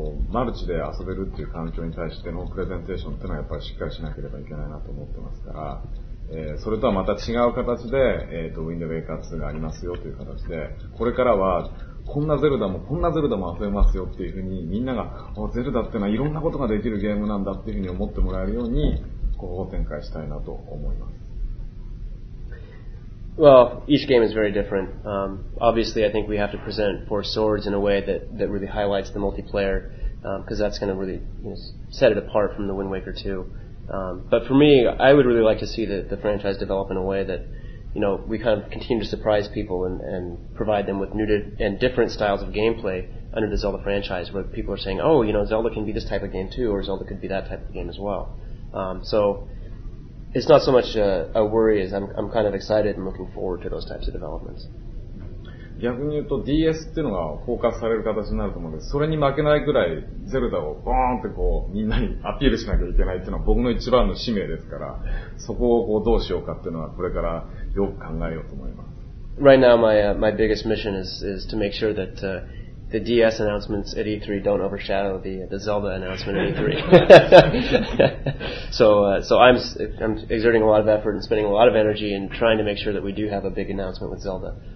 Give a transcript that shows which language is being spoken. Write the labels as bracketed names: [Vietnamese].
[Japanese] マルチで遊べるっていう環境に対してのプレゼンテーションっていうのはやっぱりしっかりしなければいけないなと思ってますから、それとはまた違う形で、ウィンドウェイカー2がありますよという形で、これからはこんなゼルダもこんなゼルダも遊べますよっていうふうに、みんながゼルダってのはいろんなことができるゲームなんだっていうふうに思ってもらえるように広報展開したいなと思います。 [English] Well, each game is very different. Obviously, I think we have to present Four Swords in a way that, that really highlights the multiplayer, because that's going to really, you know, set it apart from the Wind Waker 2. But for me, I would really like to see the franchise develop in a way that, you know, we kind of continue to surprise people and provide them with new and different styles of gameplay under the Zelda franchise, where people are saying, oh, you know, Zelda can be this type of game too, or Zelda could be that type of game as well. So, it's not so much a worry as I'm kind of excited and looking forward to those types of developments. [Japanese] 逆に言うと DS っていうのがフォーカスされる形になると思うので、それに負けないくらいゼルダをボーンってこうみんなにアピールしなきゃいけないっていうのは僕の一番の使命ですから、そこをこうどうしようかっていうのはこれからよく考えようと思います。 [English] Right now my biggest mission is to make sure that the DS announcements at E3 don't overshadow the Zelda announcement at E3. So I'm exerting a lot of effort and spending a lot of energy in trying to make sure that we do have a big announcement with Zelda.